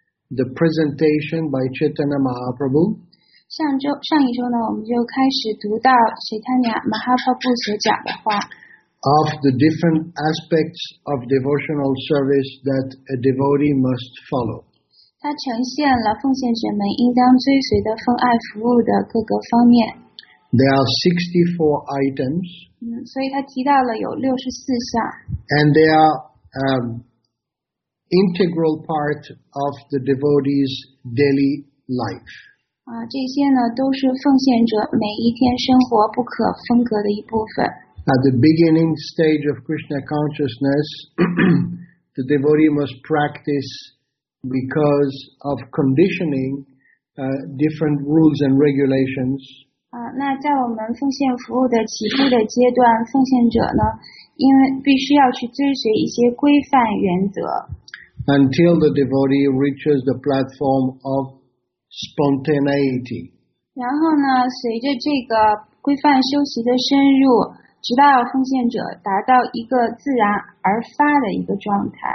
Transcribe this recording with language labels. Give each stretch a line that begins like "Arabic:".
English: The presentation by Chaitanya Mahaprabhu.
Chinese: 上一周呢，我们就开始读到 Chaitanya Mahaprabhu 所讲的话。
English: Of the different aspects of devotional service that a devotee must follow.
Chinese: 他呈现了奉献者们应当追随的奉爱服务的各个方面。
English: There are 64 items.
Chinese: 所以他提到了有64项。
English: And they are integral part of the devotee's daily life.
Chinese: 这些呢都是奉献者每一天生活不可分割的一部分。
English: At the beginning stage of Krishna consciousness, the devotee must practice because of conditioning different rules and regulations.
Chinese: 那在我们奉献服务的起步的阶段，奉献者呢，因为必须要去追随一些规范原则。
English: Until the devotee reaches the platform of spontaneity.
Chinese: 然后呢，随着这个规范修习的深入，直到奉献者达到一个自然而发的一个状态。